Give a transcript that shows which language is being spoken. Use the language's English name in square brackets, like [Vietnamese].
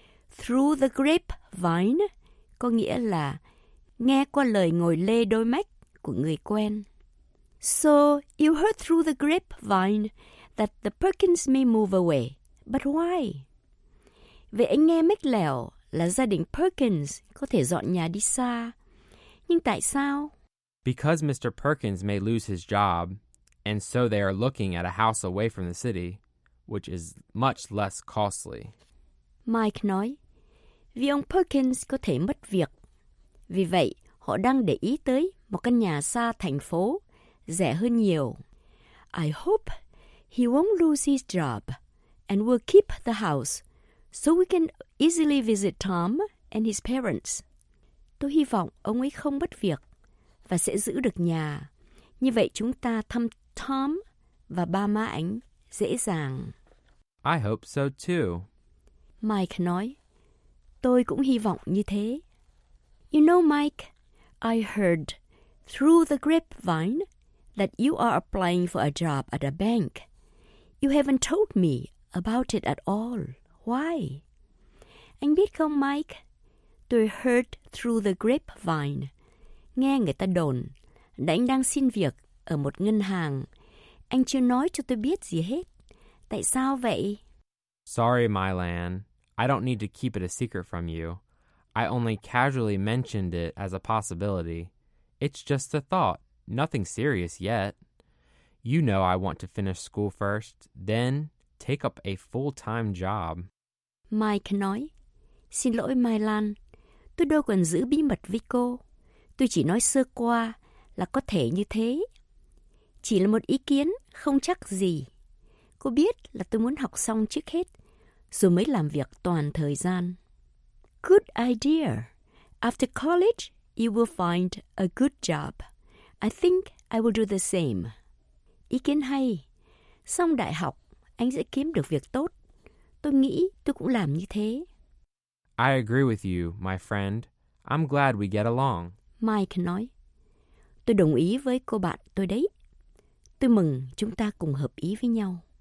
[Vietnamese] Through the grapevine có nghĩa là nghe qua lời ngồi lê đôi mách của người quen. [English] So, you heard through the grapevine that the Perkins may move away. But why? [Vietnamese] Vậy anh nghe mách lẻo là gia đình Perkins có thể dọn nhà đi xa. Nhưng tại sao? [English] Because Mr. Perkins may lose his job, and so they are looking at a house away from the city, which is much less costly. [Vietnamese] Mike nói, vì ông Perkins có thể mất việc. Vì vậy, họ đang để ý tới một căn nhà xa thành phố, rẻ hơn nhiều. [English] I hope he won't lose his job and will keep the house so we can easily visit Tom and his parents. [Vietnamese] Tôi hy vọng ông ấy không mất việc và sẽ giữ được nhà. Như vậy chúng ta thăm Tom và ba má anh dễ dàng. [English] I hope so too. [Vietnamese] Mike nói, tôi cũng hy vọng như thế. [English] You know, Mike, I heard through the grapevine that you are applying for a job at a bank. You haven't told me about it at all. Why? [Vietnamese] Anh biết không, Mike? Tôi [English] heard through the grapevine. [Vietnamese] Nghe người ta đồn là anh đang xin việc ở một ngân hàng. Anh chưa nói cho tôi biết gì hết. Tại sao vậy? [English] Sorry, Mylan. I don't need to keep it a secret from you. I only casually mentioned it as a possibility. It's just a thought, nothing serious yet. You know I want to finish school first, then take up a full-time job. [Vietnamese] Mike nói, xin lỗi Mai Lan, tôi đâu cần giữ bí mật với cô. Tôi chỉ nói sơ qua là có thể như thế. Chỉ là một ý kiến không chắc gì. Cô biết là tôi muốn học xong trước hết rồi mới làm việc toàn thời gian. [English] Good idea. After college, you will find a good job. I think I will do the same. [Vietnamese] Ý kiến hay. Xong đại học, anh sẽ kiếm được việc tốt. Tôi nghĩ tôi cũng làm như thế. [English] I agree with you, my friend. I'm glad we get along. [Vietnamese] Mike nói. Tôi đồng ý với cô bạn tôi đấy. Tôi mừng chúng ta cùng hợp ý với nhau.